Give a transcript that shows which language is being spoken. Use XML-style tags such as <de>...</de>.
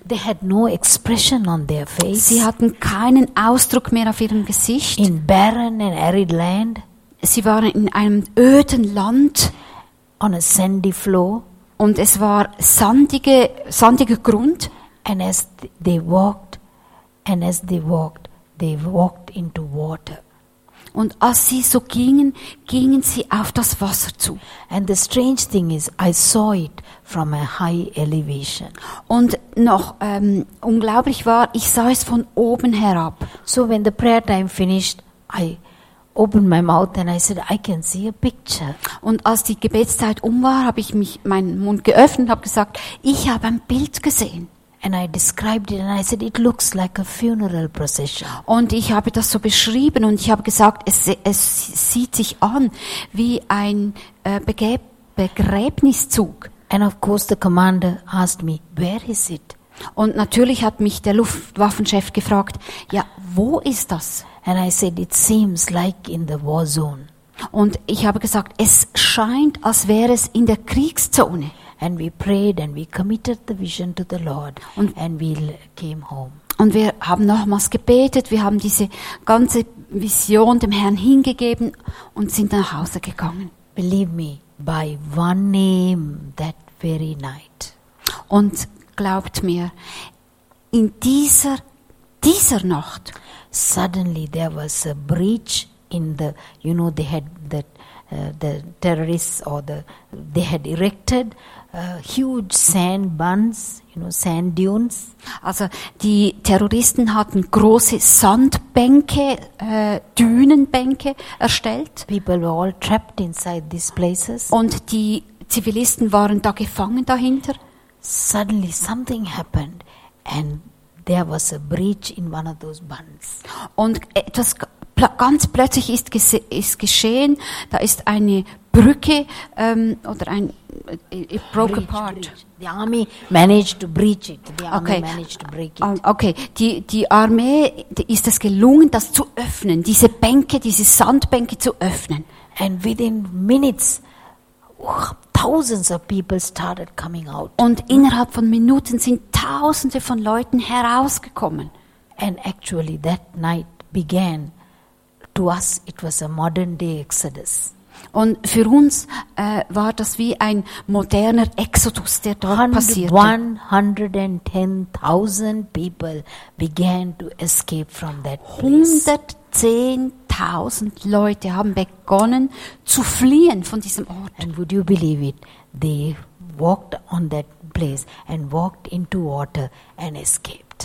<en>They had no expression on their face.</en> <de>Sie hatten keinen Ausdruck mehr auf ihrem Gesicht.</de> <en>In barren and arid land.</en> <de>Sie waren in einem öden Land.</de> <en>On a sandy floor.</en> <de>Und es war sandiger Grund.</de> <en>And as they walked, they walked into water.</en> <de>Und als sie so gingen, gingen sie auf das Wasser zu.</de> <en>And the strange thing is, I saw it from a high elevation.</en> <de>Und noch unglaublich war, ich sah es von oben herab.</de> <en>So when the prayer time finished, I opened my mouth and I said, I can see a picture.</en> <de>Und als die Gebetszeit um war, habe ich mich meinen Mund geöffnet, habe gesagt, ich habe ein Bild gesehen.</de> <en>And I described it and I said, it looks like a funeral procession.</en> <de>Und ich habe das so beschrieben und ich habe gesagt, es sieht sich an wie ein Begräbniszug.</de> <en>And of course the commander asked me, where is it?</en> <de>Und natürlich hat mich der Luftwaffenchef gefragt, ja, wo ist das?</de> <en>And I said, it seems like in the war zone.</en> <de>Und ich habe gesagt, es scheint, als wäre es in der Kriegszone.</de> <en>And we prayed and we committed the vision to the Lord and we came home.</en> <de>Und wir haben nochmals gebetet, wir haben diese ganze Vision dem Herrn hingegeben und sind nach Hause gegangen.</de> <en>Believe me, by one name that very night.</en> <de>Und glaubt mir, in dieser Nacht,</de> <en>suddenly there was a breach in the, you know, they had the terrorists or the, they had erected huge sand buns, you know, sand dunes.</en> <de>Also die Terroristen hatten große Sandbänke, Dünenbänke erstellt.</de> <en>People were all trapped inside these places.</en> <de>Und die Zivilisten waren da gefangen dahinter.</de> <en>Suddenly something happened and there was a breach in one of those buns.</en> <de>Und etwas ganz plötzlich ist geschehen, da ist eine Brücke oder ein</de> <en>it broke apart. The army managed to breach it. The army okay. Managed to break it.</en> <de>Okay, die Armee ist es gelungen, das zu öffnen, diese Bänke, diese Sandbänke zu öffnen.</de> <en>And within minutes, thousands of people started coming out.</en> <de>Und innerhalb von Minuten sind Tausende von Leuten herausgekommen.</de> <en>And actually, that night began. To us, it was a modern day Exodus.</en> <de>Und für uns war das wie ein moderner Exodus, der dort passierte.</de> <en>110,000 people began to escape from that place.</en> <de>110,000 Leute haben begonnen zu fliehen von diesem Ort.</de> <en>And would you believe it? They walked on that place and walked into water and escaped.</en>